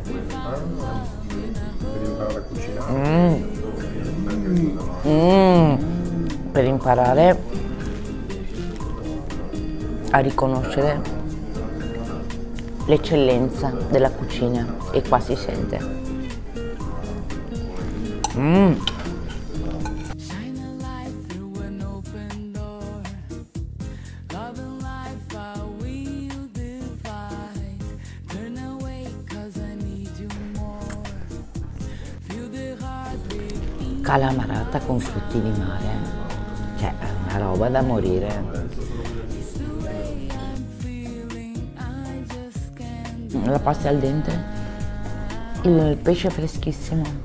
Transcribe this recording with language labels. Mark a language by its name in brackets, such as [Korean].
[Italian] Per imparare a cucinare. Per imparare a riconoscere l'eccellenza della cucina. E qua si sente. [English] Shine a light through an open door. Love and life I will divide. Turn away cause I need you more. Feel the heartbeat. [Italian] Calamarata con frutti di mare. Cioè, è una roba da morire. La pasta al dente. Il pesce freschissimo.